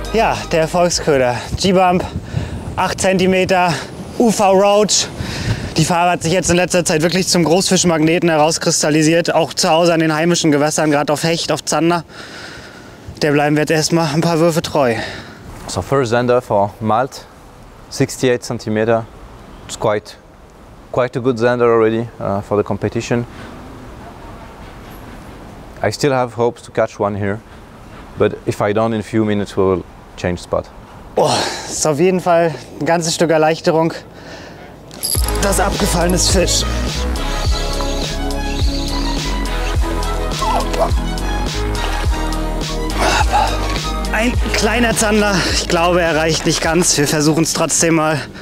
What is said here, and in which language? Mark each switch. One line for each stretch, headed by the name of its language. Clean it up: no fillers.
German: Ja, der Erfolgsköder, G-Bump, 8 cm, Ufa Roach, die Farbe hat sich jetzt in letzter Zeit wirklich zum Großfischmagneten herauskristallisiert, auch zu Hause an den heimischen Gewässern, gerade auf Hecht, auf Zander, der bleiben wir jetzt erstmal ein paar Würfe treu.
English: So, first Zander for Malte. 68 cm, it's quite a good Zander already for the competition. I still have hopes to catch one here, but if I don't, in a few minutes we'll change spot.
German: Oh, ist auf jeden Fall ein ganzes Stück Erleichterung. Das abgefallene Fisch. Ein kleiner Zander, ich glaube, er reicht nicht ganz. Wir versuchen es trotzdem mal.